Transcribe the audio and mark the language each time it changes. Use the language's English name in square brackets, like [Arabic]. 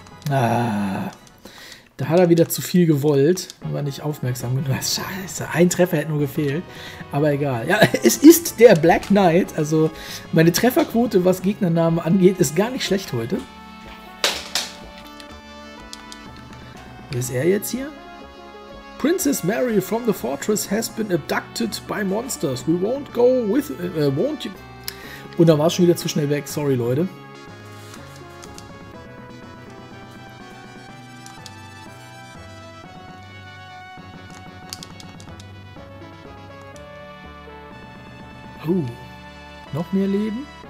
[German] Ah, da hat er wieder zu viel gewollt. War nicht aufmerksam genug. Scheiße, ein Treffer hätte nur gefehlt. Aber egal. Ja, es ist der Black Knight. Also meine Trefferquote, was Gegnernamen angeht, ist gar nicht schlecht heute. Ist er jetzt hier? [English] Princess Mary from the fortress has been abducted by monsters. We won't go with... won't you? [German] Und da war es schon wieder zu schnell weg. Sorry, Leute. Oh. Noch mehr Leben?